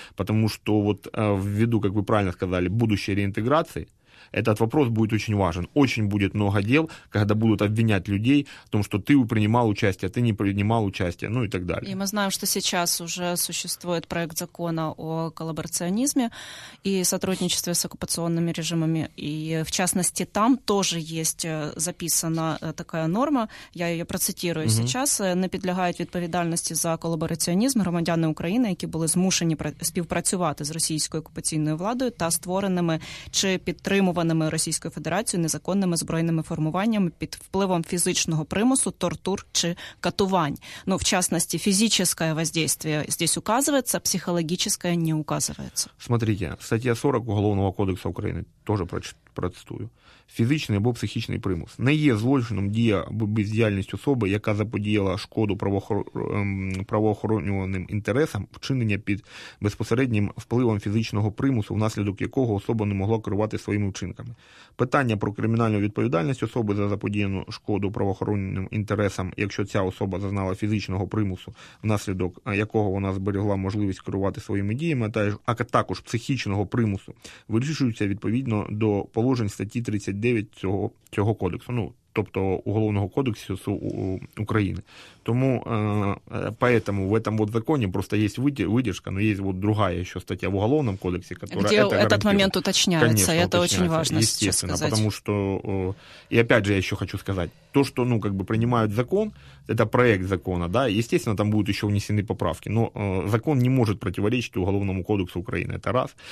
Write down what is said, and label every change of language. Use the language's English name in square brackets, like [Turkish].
[Russian] Потому что вот ввиду, как вы правильно сказали, будущей реинтеграции, этот вопрос будет очень важен. Очень будет много дел, когда будут обвинять людей в том, что ты принимал участие, ты не принимал участие, ну и так далее. И мы знаем, что сейчас уже существует проект закона о коллаборационизме и сотрудничестве с оккупационными режимами. И в частности, там тоже есть записана такая норма, я ее процитирую сейчас, [Ukrainian] не підлягають відповідальності за коллаборационизм громадяни України, які були змушені співпрацювати з російською окупаційною владою та створеними чи підтримуваними Російською Федерацією незаконними збройними формуваннями під впливом фізичного примусу, тортур чи катувань. [Russian] Ну, [Ukrainian] в частності, фізичне [Russian] воздействие здесь указывается, психологическое не указывается. Смотрите, [Ukrainian] стаття 40 [Russian] Уголовного [Ukrainian] кодексу України, теж процитую. Фізичний або психічний примус не є злочином дія або бездіяльність особи, яка заподіяла шкоду правоохоронюваним інтересам, вчинення під безпосереднім впливом фізичного примусу, внаслідок якого особа не могла керувати своїми вчинками. Питання про кримінальну відповідальність особи за заподіяну шкоду правоохоронним інтересам, якщо ця особа зазнала фізичного примусу, внаслідок якого вона зберегла можливість керувати своїми діями, а також психічного примусу, вирішується відповідно до положень статті 39 цього кодексу, ну, тобто [Russian] Уголовного [Ukrainian] кодексу України. Тому [Russian] поэтому в этом вот законе просто есть выдержка, но есть вот другая еще статья в Уголовном кодексе, которая где это этот момент уточняется, конечно, это уточняется, очень важно сейчас сказать. Естественно, потому что, и опять же я еще хочу сказать, то, что, ну, как бы принимают закон, это проект закона, да, естественно, там будут еще внесены поправки, но закон не может противоречить Уголовному кодексу Украины, это раз.